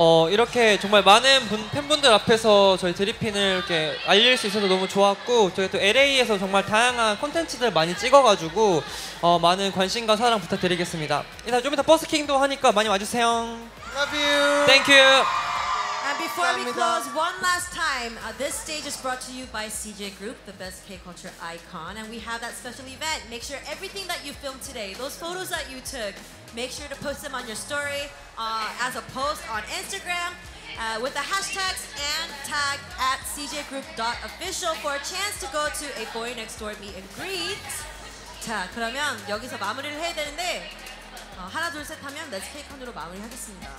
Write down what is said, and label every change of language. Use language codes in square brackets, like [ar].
[ko] 이렇게 정말 많은 팬분들 앞에서 저희 드리핀을 이렇게 알릴 수 있어서 너무 좋았고 저희 또 LA에서 정말 다양한 콘텐츠들 많이 찍어가지고 많은 관심과 사랑 부탁드리겠습니다. 일단 좀 이따 버스킹도 하니까 많이 와주세요. [en] Love you. Thank you. And before we close, one last time, this stage is brought to you by CJ Group, the best K-culture icon, and we have that special event. Make sure everything that you filmed today, those photos that you took, make sure to post them on your story as a post on Instagram with the hashtags and tag at cjgroup.official for a chance to go to a boy next door meet and greet. [ko] 자, 그러면 여기서 마무리를 해야 되는데 하나, 둘, 셋 하면 Let's K-con으로 마무리하겠습니다.